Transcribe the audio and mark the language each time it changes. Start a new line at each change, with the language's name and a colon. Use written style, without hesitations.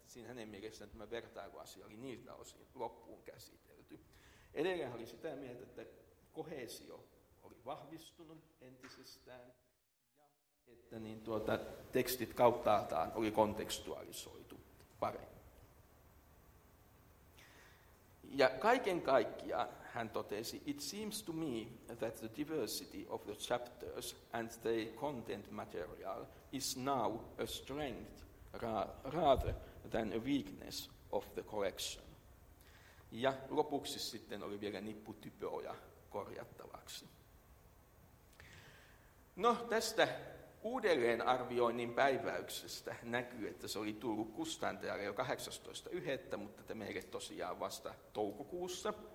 Finnish: Siinä hänen mielestään tämä vertailuasia oli niiltä osin loppuun käsitelty. Edelleen oli sitä mieltä, että koheesio oli vahvistunut entisestään ja että niin tekstit kauttaaltaan oli kontekstualisoitu paremmin. Ja kaiken kaikkiaan hän totesi,
English: it seems to me that the diversity of the chapters and the content material is now a strength rather than a weakness of the collection.
Finnish: Ja lopuksi sitten oli vielä nippu typoja korjattavaksi. No tästä uudelleenarvioinnin päiväyksestä näkyy, että se oli tullut kustantajalle jo 18.1., mutta te meille tosiaan vasta toukokuussa.